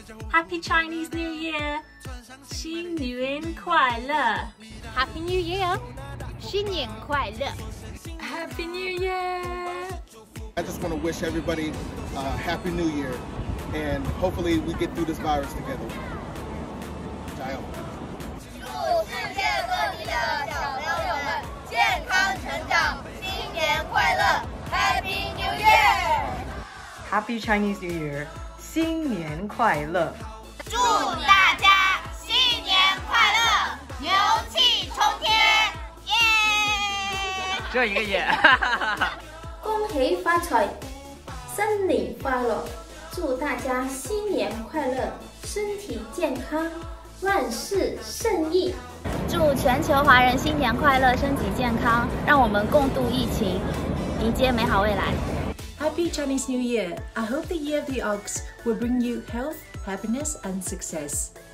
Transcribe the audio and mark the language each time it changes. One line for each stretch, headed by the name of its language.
English: Happy Chinese New Year
Chinese: 新年快乐
English: Happy New Year
Chinese: 新年快乐
English: Happy New Year I just want to wish everybody a Happy New Year and hopefully we get through this virus together
Chinese: 加油祝世界各地的小朋友们健康成长新年快乐
English: Happy New Year Happy Chinese New Year,
Chinese: 新年快乐！祝大家新年快乐，牛气冲天！耶！这一个耶！恭喜发财，新年快乐！祝大家新年快乐，身体健康，万事顺意！祝全球华人新年快乐，身体健康，让我们共度疫情，迎接美好未来。
English: Happy Chinese New Year! I hope the Year of the Ox will bring you health, happiness, and success.